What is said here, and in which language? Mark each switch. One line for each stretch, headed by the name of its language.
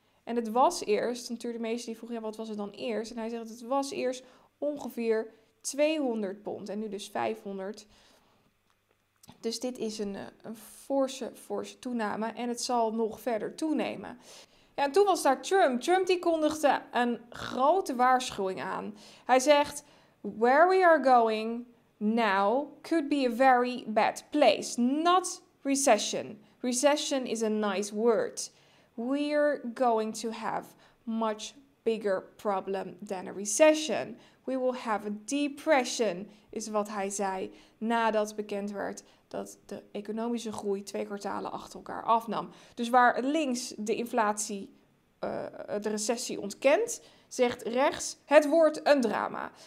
Dutch: En het was eerst, natuurlijk de meeste die vroeg, ja, wat was het dan eerst? En hij zegt, het was eerst ongeveer £200 en nu dus £500. Dus dit is een forse toename en het zal nog verder toenemen. Ja, en toen was daar Trump. Trump die kondigde een grote waarschuwing aan. Hij zegt,
English: where we are going now could be a very bad place. Not recession. Recession is a nice word. We're going to have much bigger problem than a recession. We will have a depression,
Dutch: is wat hij zei nadat bekend werd dat de economische groei 2 kwartalen achter elkaar afnam. Dus waar links de inflatie, de recessie ontkent, zegt rechts het wordt een drama.